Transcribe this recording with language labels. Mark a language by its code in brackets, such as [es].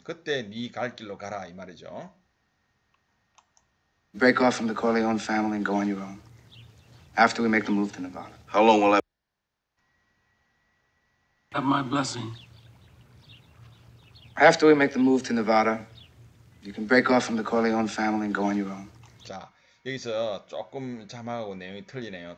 [ko] 그때 네 갈 길로 가라 이 말이죠. [en] Break off from the Corleone family and go on your own. After we make the move to Nevada. How long will I have my blessing? After we make the move to Nevada, you can break off from the Corleone family and go on your own. [ko] 자, 여기서 조금 자막하고 내용이 틀리네요.